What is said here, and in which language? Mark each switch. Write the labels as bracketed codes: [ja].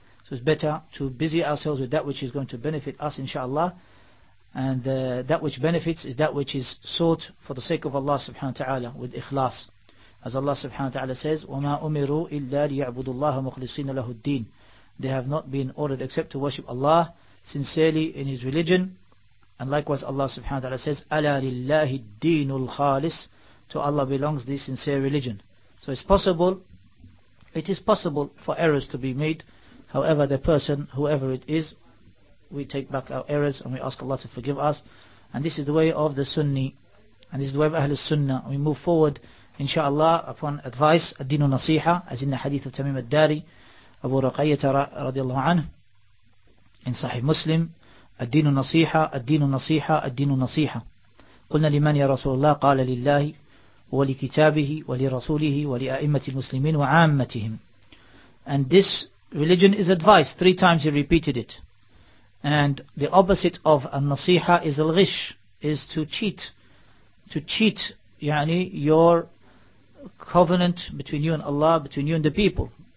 [en] So it's better to busy ourselves with that which is going to benefit us inshaAllah, and that which benefits is that which is sought for the sake of Allah subhanahu wa ta'ala with ikhlas. As Allah subhanahu wa ta'ala says, [ar] وَمَا أُمِرُوا إِلَّا لِيَعْبُدُ اللَّهَ مُخْلِصِينَ لَهُ الدِّينَ. [en] They have not been ordered except to worship Allah sincerely in His religion. And likewise Allah subhanahu wa ta'ala says, [ar] أَلَا لِلَّهِ الدِّينُ الْخَالِصِ. [en] To Allah belongs the sincere religion. So it is possible for errors to be made. However, the person, whoever it is, we take back our errors and we ask Allah to forgive us. And this is the way of the Sunni, and this is the way of Ahlul Sunnah. We move forward inshaAllah upon advice, [ar] الدين نصيحة, [en] as in the hadith of Tamim al-Dari, Abu Raqayyah radiallahu anhu, in Sahih Muslim, [ar] الدين نصيحة, الدين نصيحة, الدين نصيحة. قلنا لمن يا رسول الله؟ قال لله ولكتابه ولرسوله ولأئمة المسلمين وعامتهم. [en] And this religion is advice. Three times he repeated it. And the opposite of النصيحة is الغش, is to cheat. To cheat, يعني, your covenant between you and Allah, between you and the people.